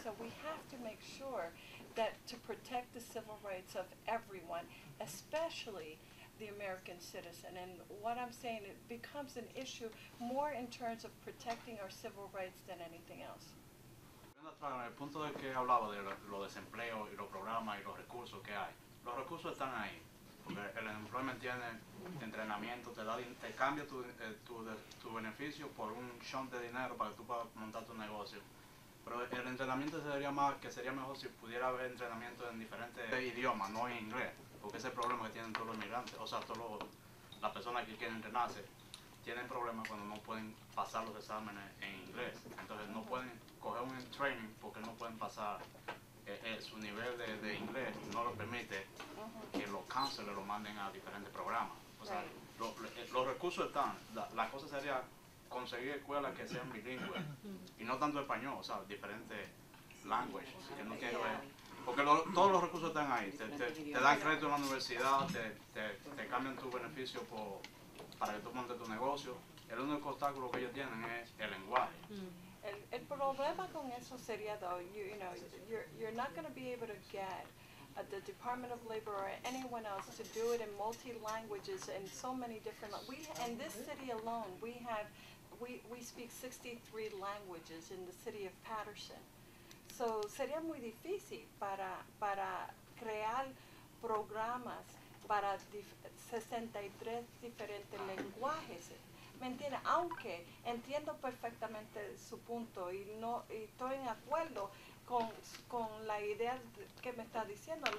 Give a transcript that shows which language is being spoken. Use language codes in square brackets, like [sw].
[en] So we have to make sure that to protect the civil rights of everyone, especially the American citizen. And what I'm saying, it becomes an issue more in terms of protecting our civil rights than anything else. [es] En el punto de que hablaba de los desempleos y los programas y los recursos que hay, los recursos están ahí, porque el employment tiene entrenamiento, te cambia tu beneficio por un chunk de dinero para que tú puedas montar tu negocio. Pero el entrenamiento sería más, que sería mejor si pudiera haber entrenamiento en diferentes idiomas, no en inglés, porque ese es el problema que tienen todos los inmigrantes, o sea, todas las personas que quieren entrenarse tienen problemas cuando no pueden pasar los exámenes en inglés. Entonces no pueden coger un training porque no pueden pasar. Su nivel de inglés no lo permite que los counselors lo manden a diferentes programas. O sea, los recursos están. La cosa sería conseguir escuelas que sean bilingües y no tanto español, o sea, diferentes languages. Que no quiero ver. Porque todos los recursos están ahí. Te dan crédito en la universidad, te cambian tu beneficio para que tú montes tu negocio. El único obstáculo que ellos tienen es el lenguaje. El problema con eso sería, [en] though, you know, you're not going to be able to get the Department of Labor or anyone else to do it in multi languages and so many different. We in this city alone, we speak 63 languages in the city of Patterson. [es] So sería muy difícil para crear programas para 63 diferentes lenguajes. ¿Me entiendes? Aunque entiendo perfectamente su punto y no y estoy en acuerdo con la idea que me está diciendo.